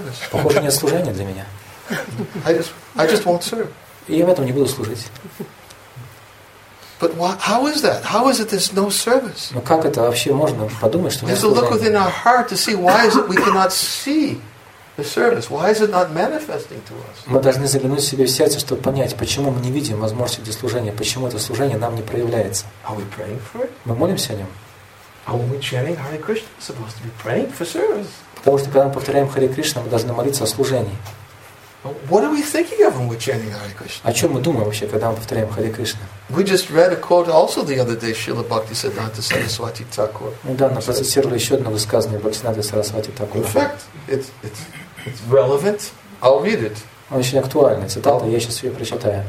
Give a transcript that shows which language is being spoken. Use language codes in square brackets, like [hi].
[ru] Похоже, нет служения для меня. [en] I just won't serve. [ru] И я в этом не буду служить. [en] But how is that? How is it there's no service? [ru] Ну как это вообще можно подумать, что? [en] There's a look within our heart to see why is it we cannot see the service? Why is it not manifesting to us? [ru] Мы должны заглянуть себе в сердце, чтобы понять, почему мы не видим возможности для служения, почему это служение нам не проявляется. [en] Are we praying for it? [ru] Мы молимся о нем. [en] Are we chanting Hare Krishna? We're supposed to be praying for service. [ru] Потому что когда мы повторяем Харе Кришна, мы должны молиться о служении. [en] What are we thinking of when we're chanting Hare Krishna? [ru] О чем мы думаем вообще, когда мы повторяем Харе Кришна? [en] We just read a quote also the other day, Srila Bhaktisiddhanta Saraswati Thakur. [ru] Недавно процитировали еще одно высказывание Бхактисиддханты Сарасвати Такура. [en] In fact, it's relevant. I'll read it. [ru] Очень актуальная цитата. Я сейчас ее прочитаю.